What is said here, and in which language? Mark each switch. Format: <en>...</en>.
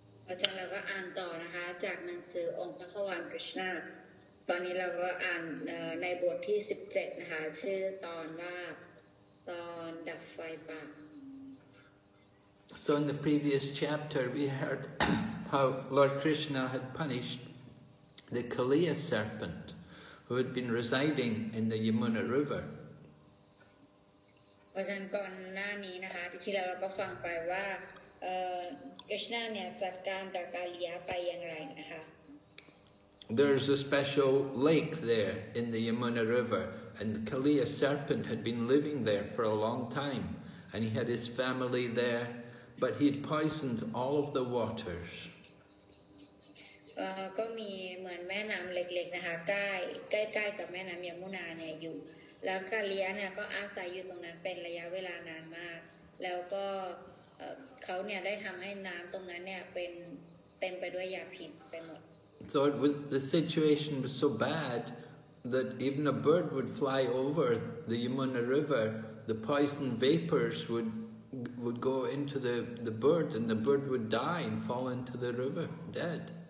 <th>อาจารย์เราก็อ่านต่อนะคะจากหนังสือองค์พระขวัญกฤษณาตอนนี้เราก็อ่านในบทที่17นะคะชื่อตอนว่าตอนดับไฟป่า</th> <en>So in the previous chapter we heard how Lord Krishna had punished the Kaliya serpent who had been residing in the Yamuna River</en> <th>อาจารย์ก่อนหน้านี้นะคะที่แล้วเราก็ฟังไปว่าKrishna เนี่ยจัดการกับกาลียะไปอย่างไรนะคะ</th> <en>There's a special lake there in the Yamuna River and the Kaliya serpent had been living there for a long time and he had his family there but he'd poisoned all of the waters</en> <th>ก็มีเหมือนแม่น้ำเล็กๆนะคะใกล้ๆกับแม่น้ำยมุนาเนี่ยอยู่แล้วกาลียะเนี่ยก็อาศัยอยู่ตรงนั้นเป็นระยะเวลานานมากแล้วก็เขาเนี่ยได้ทำให้น้ำตรงนั้นเนี่ยเป็นเต็มไปด้วยยาพิษไปหมด</th> <en>So the situation was so bad that even a bird would fly over the Yamuna River, the poison vapors would go into the bird and the bird would die and fall into the river dead.</en>